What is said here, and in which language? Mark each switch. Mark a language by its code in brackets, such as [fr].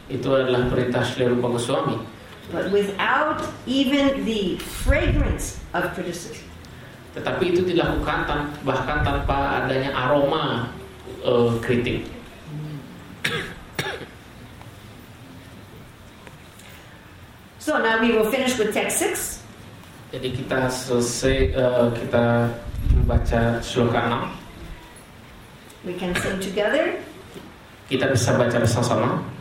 [id] Itu adalah perintah Sri Rupa Goswami. [en] But without even the fragrance of criticism. [id] Tetapi itu dilakukan bahkan tanpa adanya aroma kritik. [en] So now we will finish with text 6. [id] Jadi kita selesai kita membaca sloka 6. [en] We can sing together. [id] Kita bisa baca bersama-sama.